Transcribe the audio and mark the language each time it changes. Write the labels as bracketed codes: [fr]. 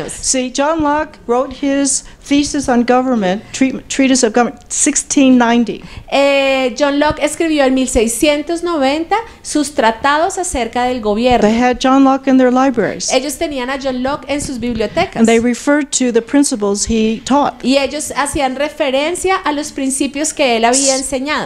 [en] See, John Locke wrote his thesis on government, treatise of government, 1690. [es] John Locke escribió en 1690 sus tratados acerca del gobierno. [en] They had John Locke in their libraries. [es] Ellos tenían a John Locke en sus bibliotecas. [en] And they referred to the principles he taught. [es] Y ellos hacían referencia a los principios que él había enseñado.